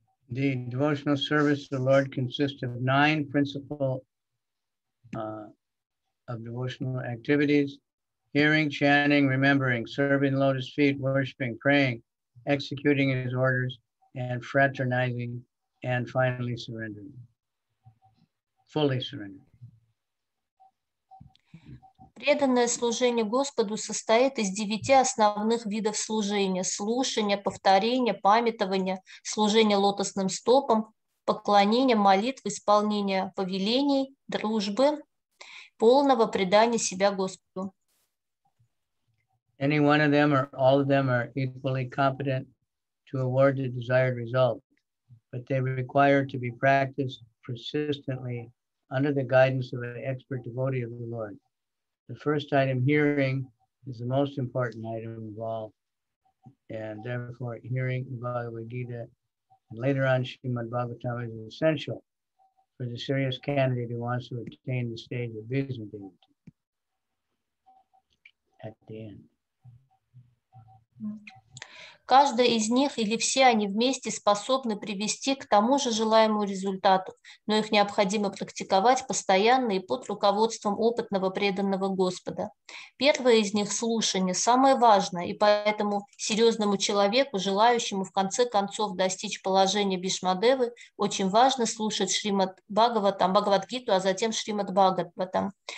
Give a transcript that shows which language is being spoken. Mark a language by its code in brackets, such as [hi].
[en] The devotional service of the Lord consists of nine principal of devotional activities: hearing, chanting, remembering, serving lotus feet, worshiping, praying, executing his orders, and fraternizing, and finally surrendering, fully surrendering. [ru] Преданное служение Господу состоит из девяти основных видов служения – слушания, повторения, памятования, служения лотосным стопам, поклонения, молитвы, исполнения повелений, дружбы, полного предания себя Господу. [en] Any one of them or all of them are equally competent to award the desired result. but they require to be practiced persistently under the guidance of an expert devotee of the Lord. The first item, hearing, is the most important item of all. And therefore, hearing Bhagavad Gita and later on Srimad Bhagavatam is essential for the serious candidate who wants to attain the stage of Bhisma Deity at the end. [ru] Каждая из них или все они вместе способны привести к тому же желаемому результату, но их необходимо практиковать постоянно и под руководством опытного преданного Господа. Первое из них – слушание, самое важное, и поэтому серьезному человеку, желающему в конце концов достичь положения Бишмадевы, очень важно слушать Шримад Бхагаватам, Бхагавадгиту, а затем Шримад Бхагаватам.